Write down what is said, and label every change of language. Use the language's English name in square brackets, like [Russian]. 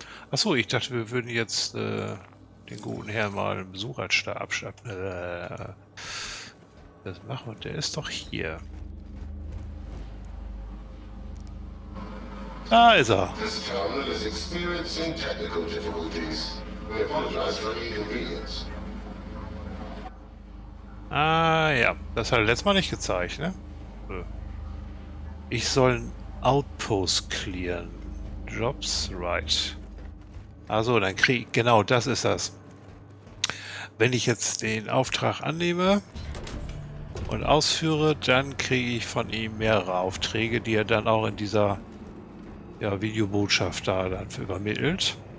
[German] Achso, ich dachte, wir würden jetzt den guten Herrn mal einen Besuch als abschatten. Das machen wir, der ist doch hier. Ah, ist er. [English] This terminal is experiencing technical difficulties. We apologize for inconvenience. [German] Ah ja, das hat er letztes Mal nicht gezeigt, ne? Ich soll einen Outpost clearen. [English] Jobs, right. [German] Also, dann krieg ich. Genau, das ist das. Wenn ich jetzt den Auftrag annehme und ausführe, dann kriege ich von ihm mehrere Aufträge, die er dann auch in dieser, ja, Videobotschaft da dann übermittelt.